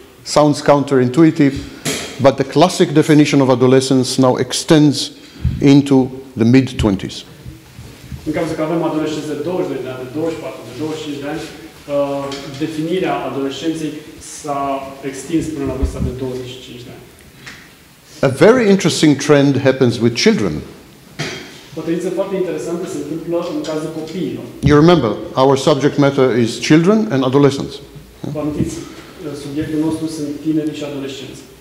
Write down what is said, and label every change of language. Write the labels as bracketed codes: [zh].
[en] Sounds counterintuitive, but the classic definition of adolescence now extends into the mid-20s. [ro] În cazul că avem adolescenți de 22 de ani, de 24, de 25 de ani, definirea adolescenței s-a extins până la vârsta de 25 de ani. [en] A very interesting trend happens with children. [ro] O tendință foarte interesantă se întâmplă în cazul copiilor. [en] You remember, our subject matter is children and adolescents. [ro] Vă amintiți, subiectul nostru sunt tineri și adolescenți.